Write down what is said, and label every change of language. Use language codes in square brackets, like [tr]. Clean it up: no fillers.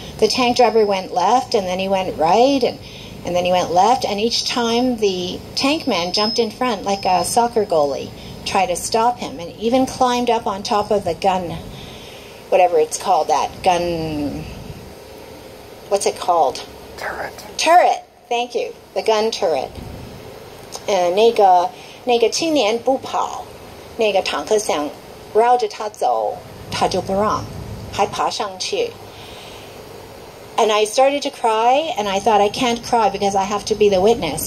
[en] The tank driver went left, and then he went right, and then he went left, and each time the tank man jumped in front like a soccer goalie, tried to stop him, and even climbed up on top of the gun, whatever it's called, that gun, what's it called? Turret. Turret, thank you. The gun turret. [zh] And 那个青年不跑，那个坦克想绕着他走，他就不让，还爬上去。 [en] And I started to cry, and I thought, I can't cry because I have to be the witness.